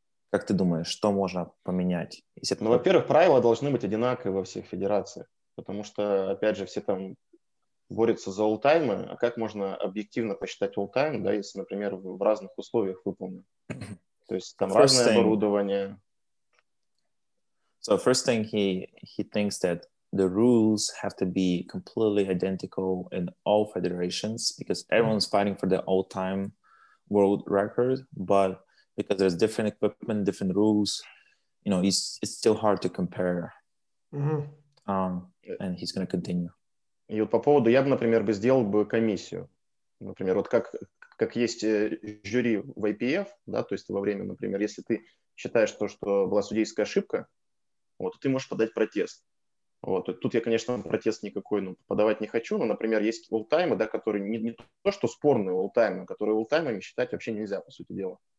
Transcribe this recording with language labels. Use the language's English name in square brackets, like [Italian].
[Russian] Как ты думаешь, что можно поменять? Если... Ну, во-первых, правила должны быть одинаковые во всех федерациях, потому что, опять же, все там борются за олл-таймы, а как можно объективно посчитать олл-тайм, да, если, например, в разных условиях выполнен? То есть там [English] first [Russian] разное [English] thing, [Russian] оборудование. [English] So first thing he thinks that the rules have to be completely identical in all federations, because everyone's fighting for the all-time world record, but because there's different equipment, different rules, you know, it's still hard to compare. Mm-hmm. And he's going to continue. [Russian] И вот по поводу, я бы, например, бы сделал бы комиссию. Например, вот как есть жюри в IPF, да, то есть во время, например, если ты считаешь то, что была судейская ошибка, вот, ты можешь подать протест. Вот, тут я, конечно, протест никакой, ну, подавать не хочу, но, например, есть олл-таймы, да, которые не то, что спорные олл-таймы, которые олл-таймами считать вообще нельзя, по сути дела.